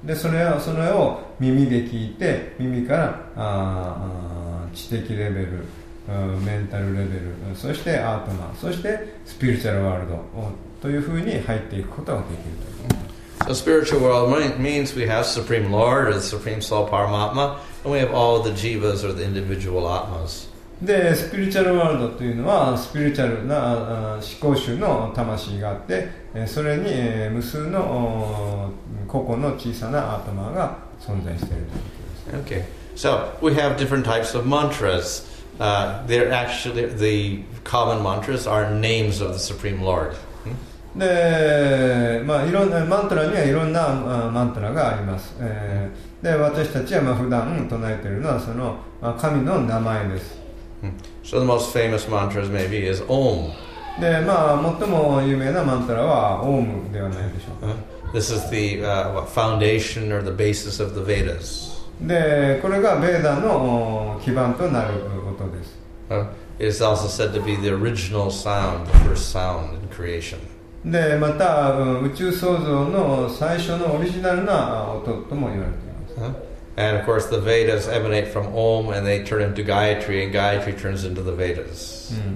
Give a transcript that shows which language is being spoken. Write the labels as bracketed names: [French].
[Japanese] でそれは、それを耳で聞いて、耳から知的レベル、メンタルレベル、そしてアートマン、そしてスピリチュアルワールドというふうに入っていくことができると。 [English] The spiritual world means we have Supreme Lord or the Supreme Soul Paramatma, and we have all the jivas or the individual atmas. The spiritual world [Japanese] というのは spiritual な思考集の魂があって、それに無数の個々の小さなアトマが存在しているということです。 [English] Okay, so we have different types of mantras. They're actually the common mantras are names of the Supreme Lord. [Japanese] でまあ、いろんなマントラにはいろんなマントラがあります。で私たちはまあ普段唱えているのはその、まあ、神の名前です。 [English] So the most famous mantras maybe is Om. [Japanese] で、まあ、最も有名なマントラはオームではないでしょうか。 [English] This is the foundation or the basis of the Vedas. [Japanese] でこれがベーダの基盤となることです。 [English] It's also said to be the original sound, the first sound in creation [Japanese] でまた宇宙創造の最初のオリジナルな音とも言われています。 [English] And of course the Vedas emanate from Om and they turn into Gayatri and Gayatri turns into the Vedas.